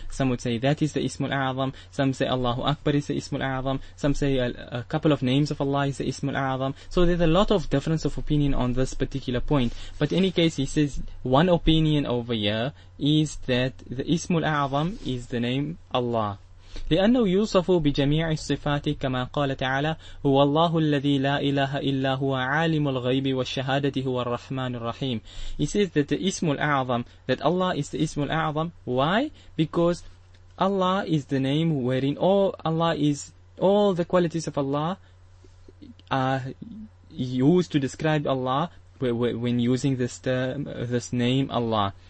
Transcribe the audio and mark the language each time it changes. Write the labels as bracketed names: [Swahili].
[English] Some would say that is the Ismul A'zam. Some say Allahu Akbar is the Ismul A'zam. Some say a couple of names of Allah is the Ismul A'zam. So there's a lot of difference of opinion on this particular point. But in any case, he says one opinion over here is that the Ismul A'zam is the name Allah. [Arabic] لأنه يوصف بجميع الصفات كما قال تعالى هو الله الذي لا إله إلا هو عالم الغيب والشهادة هو الرحمن الرحيم. [English] He says that the اسم الأعظم, that Allah is the اسم الأعظم. Why? Because Allah is the name wherein all the qualities of Allah are used to describe Allah when using this term, this name Allah.